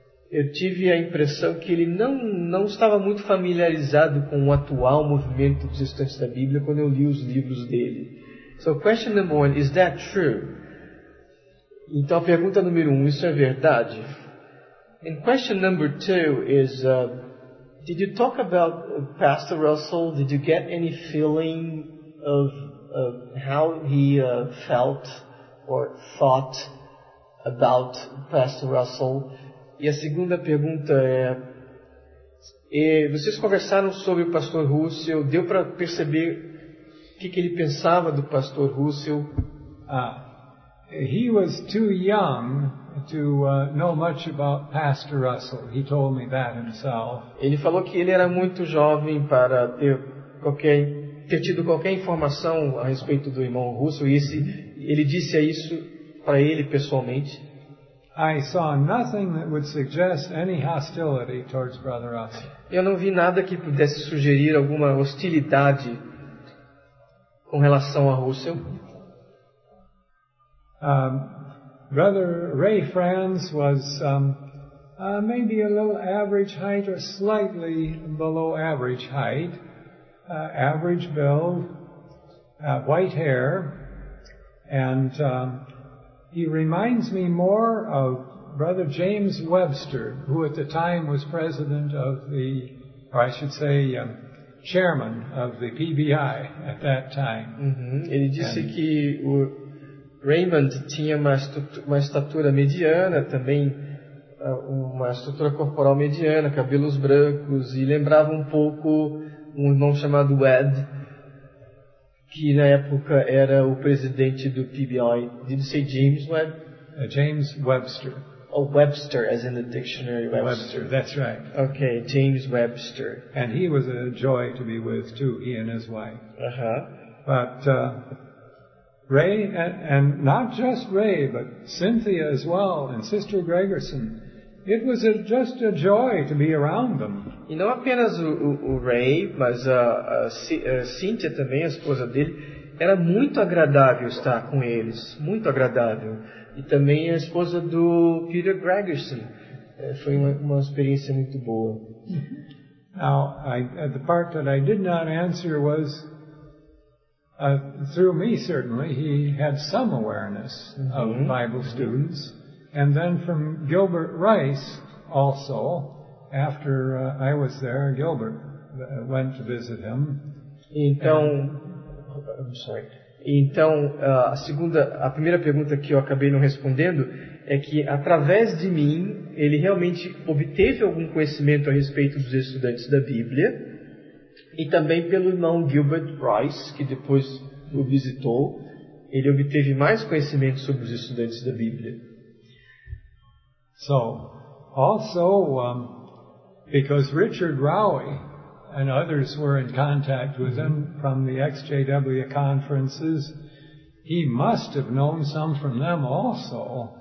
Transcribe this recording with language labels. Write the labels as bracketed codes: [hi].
[pt] Eu tive a impressão que ele não estava muito familiarizado com o atual movimento dos estudantes da Bíblia quando eu li os livros dele. [en] So question number one, is that true? [pt] Então a pergunta número um, isso é verdade? [en] And question number two is, did you talk about Pastor Russell? Did you get any feeling of how he felt or thought about Pastor Russell? [pt] E a segunda pergunta é, vocês conversaram sobre o Pastor Russell, deu para perceber o que ele pensava do Pastor Russell? [en] He was too young to know much about Pastor Russell. He told me that himself. [pt] Ele falou que ele era muito jovem para ter tido qualquer informação a respeito do irmão Russell, e ele disse isso para ele pessoalmente. [en] I saw nothing that would suggest any hostility towards Brother Russell. [pt] Eu não vi nada que pudesse sugerir alguma hostilidade com relação a Russell. [en] Brother Ray Franz was maybe a little average height or slightly below average height, average build, white hair, and he reminds me more of Brother James Webster, who at the time was president of the, or I should say, chairman of the PBI at that time. Mm-hmm. [pt] Ele disse que o Raymond tinha uma estatura mediana, também uma estrutura corporal mediana, cabelos brancos, e lembrava um pouco um irmão chamado Ed, que na época era o presidente do PBI. [en] Did you say James Webb? James Webster. Oh, Webster, as in the dictionary, Webster. Webster, that's right. Okay, James Webster. And he was a joy to be with, too, he and his wife. Uh-huh. But Ray, and not just Ray, but Cynthia as well, and Sister Gregerson. It was just a joy to be around them. [pt] E não apenas o Ray, mas a Cynthia também, a esposa dele, era muito agradável estar com eles, muito agradável. E também a esposa do Peter Gregerson. Foi uma experiência muito boa. [en] Now, the part that I did not answer was, through me certainly, he had some awareness of Bible students. And then from Gilbert Rice also, after I was there, Gilbert went to visit him. [pt] Então, a primeira pergunta que eu acabei não respondendo é que através de mim ele realmente obteve algum conhecimento a respeito dos estudantes da Bíblia, e também pelo irmão Gilbert Rice, que depois o visitou, ele obteve mais conhecimento sobre os estudantes da Bíblia. [en] So, also, because Richard Rowe and others were in contact with him from the XJW conferences, he must have known some from them also.